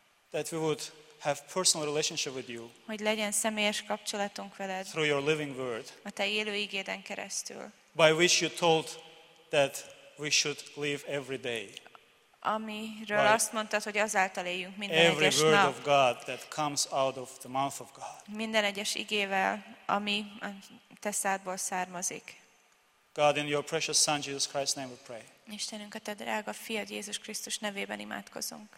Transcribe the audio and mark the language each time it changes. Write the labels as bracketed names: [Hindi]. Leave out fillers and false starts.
[English] That we would have personal relationship with you. [Hungarian] Hogy legyen személyes kapcsolatunk veled. [English] Through your living word. [Hungarian] A te élő igéden keresztül. [English] By which you told that we should live every day. [Hungarian] Amiről right. azt mondtad, hogy azáltal éljünk minden egyes nap. [English] Every word of God that comes out of the mouth of God. [Hungarian] Minden egyes igével, ami a te szádból származik. [English] God, in your precious Son Jesus Christ's name we pray. [Hungarian] Istenünk, a te drága fiad Jézus Krisztus nevében imádkozunk.